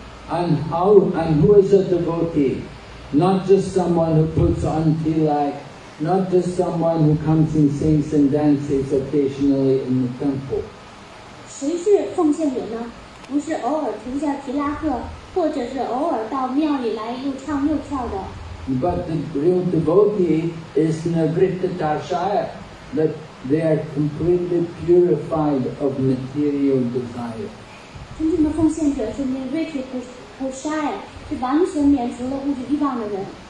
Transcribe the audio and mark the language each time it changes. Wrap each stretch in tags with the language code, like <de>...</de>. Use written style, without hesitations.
<en>And who is a devotee? Not just someone who puts on tilak, not just someone who comes and sings and dances occasionally in the temple.</en> <zh>谁是奉献者呢？不是偶尔涂下提拉克，或者是偶尔到庙里来又唱又跳的。</zh> <en>But the real devotee is nirvritta dasaya, that they are completely purified of material desire.</en> <zh>真正的奉献者是 nirvritta dasaya, 是完全免除了物质欲望的人。</zh>